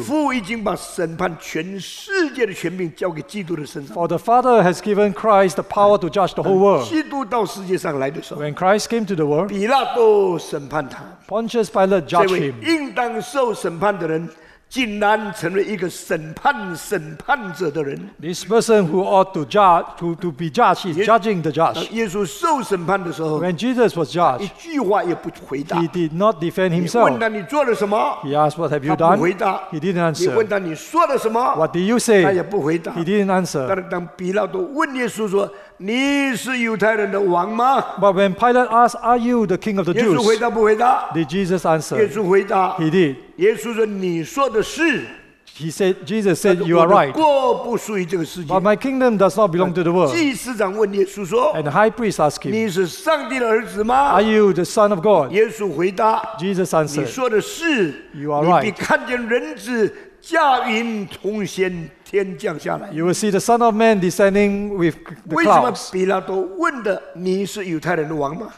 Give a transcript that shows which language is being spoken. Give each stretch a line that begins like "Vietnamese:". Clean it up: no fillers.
Chinese: 父已经把审判全世界的权柄交给基督的身上。
English: For the Father has given Christ the power to judge the whole world.
Chinese: 基督到世界上来的时候
English: ，When Christ came to the world,
Chinese: 比拉多审判他。
English: Pontius Pilate judged him.
Chinese: 这位应当受审判的人，竟然成为一个审判审判者的人。
English: This person who ought to judge, to be judged, is judging the judge.
Chinese: 耶稣受审判的时候
English: ，When Jesus was judged,
Chinese: 一句话也不回答。
English: He did not defend himself.
Chinese: 你问他你做了什么
English: ？He asked, "What have you done?"
Chinese: 他不回答。
English: He didn't answer.
Chinese: 你问他你说了什么
English: ？What did you say?
Chinese: 他也不回答。
English: He didn't answer.
Chinese: 但是当比拉多问耶稣说，你是犹太人的王吗
English: ？But when Pilate asked, "Are you the king of the Jews?"
Chinese: 耶稣回答不回答
English: ？Did Jesus answer?
Chinese: 耶稣回答。
English: He did.
Chinese: 耶稣说你说的是。
English: He said, "Jesus said, 'You are right.'"
Chinese: 国不属于这个世界。
English: But my kingdom does not belong to the world.
Chinese: 祭司长问耶稣说
English: ，And the high priest asked him,
Chinese: 你是上帝的儿子吗
English: ？Are you the son of God?
Chinese: 耶稣回答
English: ，Jesus answered,
Chinese: 你说的是。
English: You are right.
Chinese: 你必看见人子驾云同仙。天降下来
English: ，You will see the Son of Man descending with the clouds.
Chinese: 为什么比拉多问的你是犹太人的王吗